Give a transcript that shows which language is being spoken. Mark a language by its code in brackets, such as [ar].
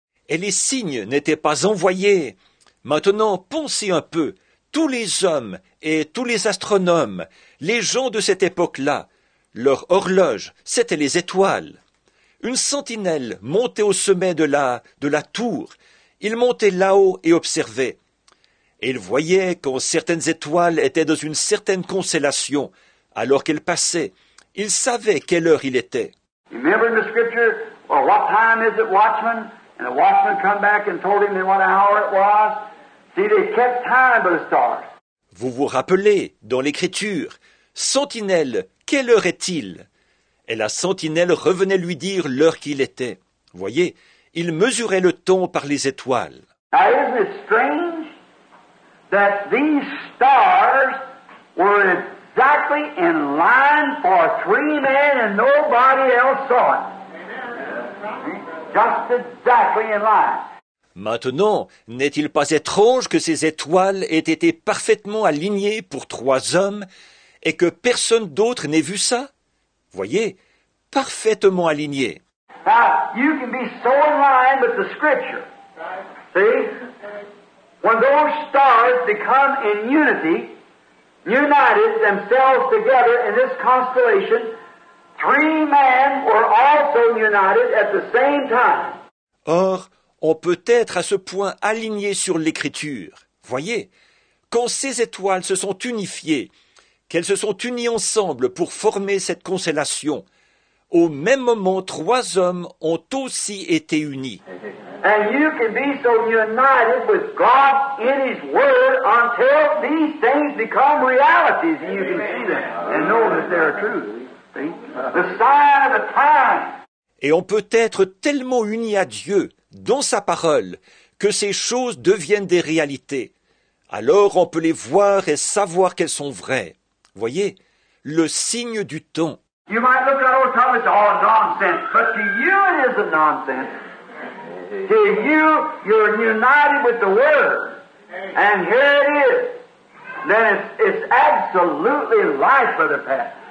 [fr] Et les signes n'étaient pas envoyés. Maintenant, pensez un peu. Tous les hommes et tous les astronomes, les gens de cette époque-là, leur horloge, c'était les étoiles. Une sentinelle montait au sommet de la tour. Il montait là-haut et observait. Et il voyait quand certaines étoiles étaient dans une certaine constellation, alors qu'elles passaient. Il savait quelle heure il était. [en] Remember in the scripture, well, what time is it, watchman? And the watchman come back and told him in what hour it was. See, they kept time by the stars. [fr] Vous vous rappelez, dans l'Écriture, sentinelle, quelle heure est-il? Et la sentinelle revenait lui dire l'heure qu'il était. Voyez, il mesurait le temps par les étoiles. [en] Now, isn't it strange that these stars were exactly in line for three men and nobody else saw it? Just exactly in line. [fr] Maintenant, n'est-il pas étrange que ces étoiles aient été parfaitement alignées pour trois hommes et que personne d'autre n'ait vu ça? Voyez, parfaitement alignées. [en] Now, you can be so in line with the scripture. See? When those stars become in unity, united themselves together in this constellation, three men were also united at the same time. [fr] Or, on peut être à ce point aligné sur l'Écriture. Voyez, quand ces étoiles se sont unifiées, qu'elles se sont unies ensemble pour former cette constellation, au même moment, trois hommes ont aussi été unis. [en] And you can be so united with God in His Word until these things become realities, and you can see them and know that they are true. The sign of the time. [fr] Et on peut être tellement uni à Dieu dans sa parole, que ces choses deviennent des réalités. Alors on peut les voir et savoir qu'elles sont vraies. Voyez, le signe du temps. [en] You might look at old Thomas, oh, nonsense. But to you it is a nonsense. To you, you're united with the Word. And here it is. Then it's absolutely life for the past.